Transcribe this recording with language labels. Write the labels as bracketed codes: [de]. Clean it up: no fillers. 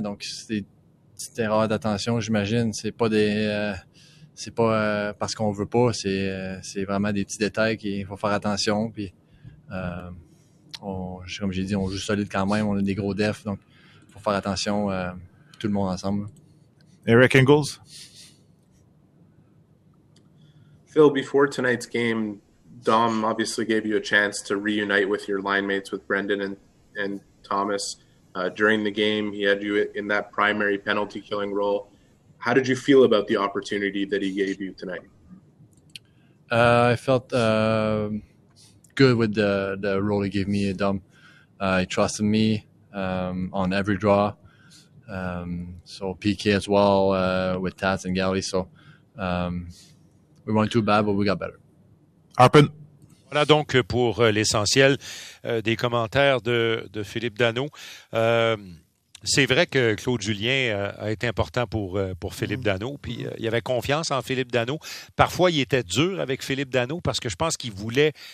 [fr] Donc, c'est des petites erreurs d'attention, j'imagine. C'est pas des. C'est pas parce qu'on veut pas, c'est vraiment des petits détails qu'il faut faire attention. Puis, comme j'ai dit, on joue solide quand même, on a des gros defs, donc il faut faire attention tout le monde ensemble. [en] Eric Ingles. Phil, before tonight's game, Dom obviously gave you a chance to reunite with your line mates, with Brendan and Thomas. During the game, he had you in that primary penalty killing role. How did you feel about the opportunity that he gave you tonight? I felt good with the role he gave me, Dom. He trusted me on every draw. So PK as well with Taz and Galley. So we weren't too bad, but we got better. Harpin. [fr] Voilà donc pour l'essentiel des commentaires de Philippe Dano. C'est vrai que Claude Julien a été important pour Philippe Danault. Puis il avait confiance en Philippe Danault. Parfois, il était dur avec Philippe Danault parce que je pense qu'il voulait...